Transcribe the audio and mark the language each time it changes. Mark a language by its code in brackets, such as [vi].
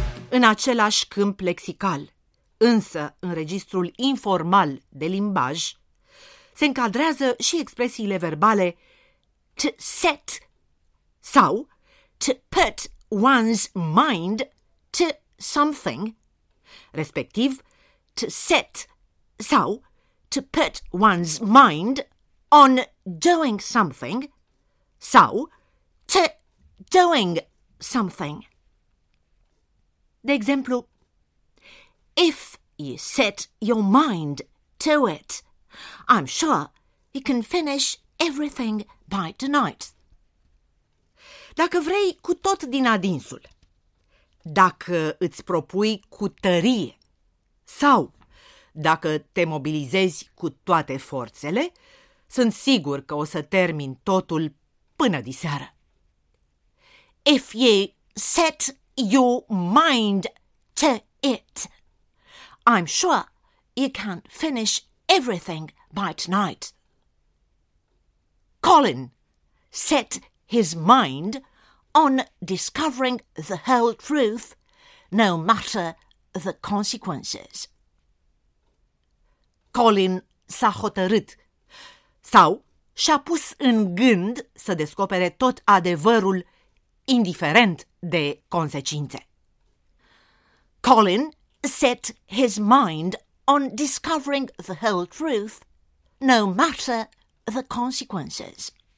[ro] În același câmp lexical, însă în registrul informal de limbaj, se încadrează și expresiile verbale [en] to set [ro] sau [en] to put one's mind to something, [ro] respectiv [en] to set [ro] sau [en] to put one's mind on doing something [ro] sau [en] to doing something. [ro] De exemplu, [en] if you set your mind to it, I'm sure you can finish everything by tonight. [ro] Dacă vrei cu tot din adinsul, dacă îți propui cu tărie sau dacă te mobilizezi cu toate forțele, sunt sigur că o să termin totul până diseară. [en] If you set your mind to it, I'm sure you can finish everything by tonight. Colin set his mind on discovering the whole truth, no matter the consequences. [ro] Colin s-a hotărât sau și-a pus în gând să descopere tot adevărul, indiferent de consecințe. [en] Colin set his mind on discovering the whole truth, no matter the consequences.